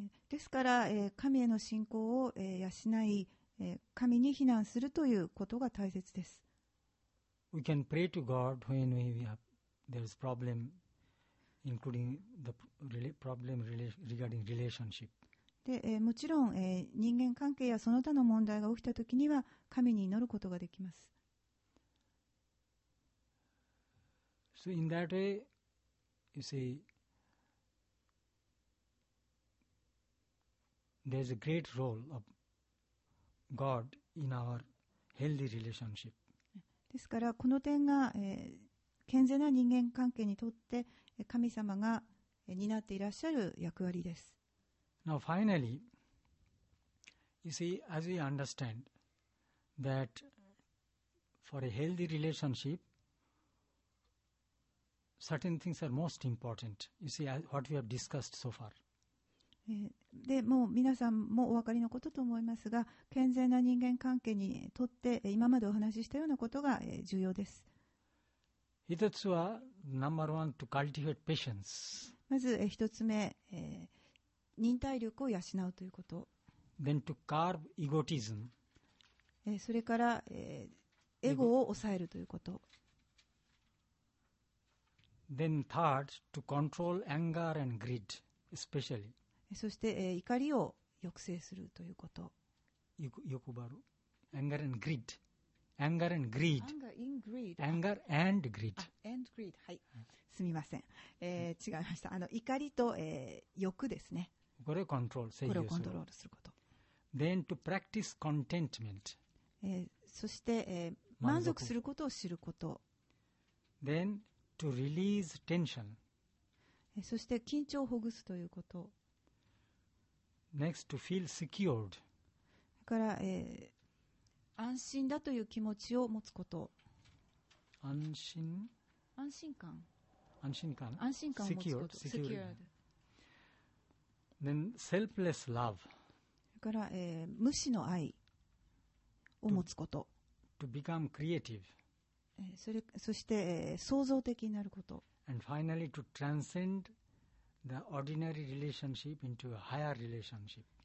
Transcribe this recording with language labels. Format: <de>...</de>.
<ja>ですから、神への信仰を、養い、神に避難するということが大切です。</ja> <en>We can pray to God when we have there's problem, including the problem regarding relationship.</en> <ja>で、もちろん、人間関係やその他の問題が起きたときには神に祈ることができます。</ja> <en>So in that way, you see, there's a great role of God in our healthy relationship.</en> <ja>ですからこの点が、健全な人間関係にとって神様が、担っていらっしゃる役割です。</ja> <en>Now finally, you see, as we understand that for a healthy relationship, certain things are most important. You see, what we have discussed so far.</en> <ja>でもう皆さんもお分かりのことと思いますが、健全な人間関係にとって今までお話ししたようなことが重要です。一つは、</ja> <en>number one, to cultivate patience.</en> <ja>まず一つ目、忍耐力を養うということ。</ja> <en>Then to curb egotism.</en> <ja>それから、エゴを抑えるということ。</ja> <en>Then third, to control anger and greed, especially.</en> <ja>そして、怒りを抑制するということ。</ja> <en>Anger and greed. Anger and greed. Anger and greed. And greed. はい。</en> <ja>すみません。違いました。怒りと、欲ですね。これをコントロールすること。これをコントロールすること。</ja> <en>Then to practice contentment.</en> <ja>そして、満足することを知ること。</ja> <en>Then to release tension.</en> <ja>そして緊張をほぐすということ。</ja> <en>Next to feel secured.</en> <ja>だから、安心だという気持ちを持つこと。安心。安心感。安心感。安心感を持つこと。</ja> <en>Secured. Then selfless love.</en> <ja>から、無私の愛を持つこと</ja> <en>to become creative.</en> <ja>そして、創造的になること</ja> <en>And finally, to transcend the ordinary relationship into a higher relationship.</en>